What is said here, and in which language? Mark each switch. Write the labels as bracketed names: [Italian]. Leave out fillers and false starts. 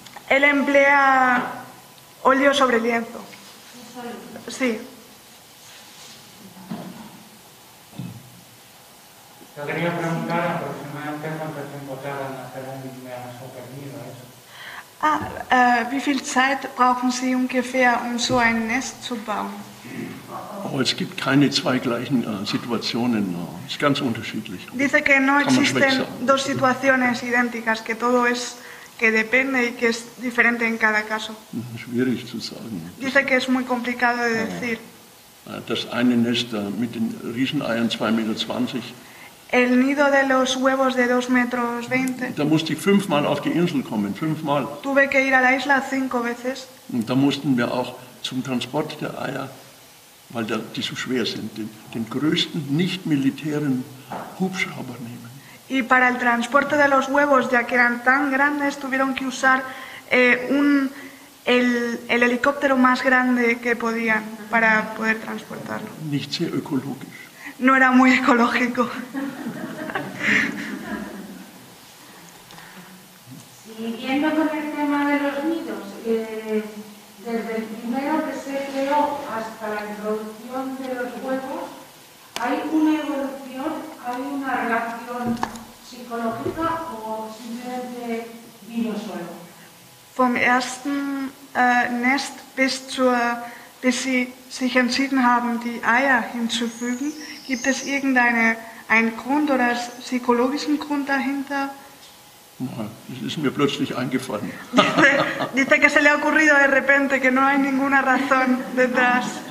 [Spanish] Él emplea óleo sobre lienzo. Sí. Yo quería preguntar aproximadamente cuánto tiempo tarda en hacer un inmenso supermido, eso. [German] Wie viel Zeit brauchen Sie ungefähr, um so ein Nest zu bauen? Oh, es gibt keine zwei gleichen Situationen. Es ist ganz unterschiedlich. [Spanish] Dice que no existen dos situaciones idénticas, que todo es que depende y que es diferente en cada caso. [German] Schwierig zu sagen. [Spanish] Dice que es muy complicado de decir. [German] Das eine Nest mit den Rieseneiern 2,20 Meter. [Spanish] El nido de los huevos de 2 metros 20. [German] Da musste ich fünfmal auf die Insel kommen, fünfmal. [Spanish] Tuve que ir a la isla 5 veces. [German] Und da mussten wir auch zum Transport der Eier, weil die so schwer sind, den größten nicht-militären Hubschrauber nehmen. [Spanish] Y para el transporte de los huevos, ya que eran tan grandes, tuvieron que usar el helicóptero más grande que podían para poder transportarlo. [German] Nicht sehr ökologisch. [Spanish] No era muy ecológico. Siguiendo con el tema de los nidos, desde el primero que se creó hasta la introducción de los huevos, ¿hay una evolución, hay una relación psicológica o simplemente vino solo? [German] Vom ersten Nest bis sie sich entschieden haben, die Eier hinzufügen, gibt es irgendeinen Grund oder psychologischen Grund dahinter? Das ist mir plötzlich eingefallen. [Spanish] Dice que se le ha ocurrido de repente, que no hay ninguna razón detrás.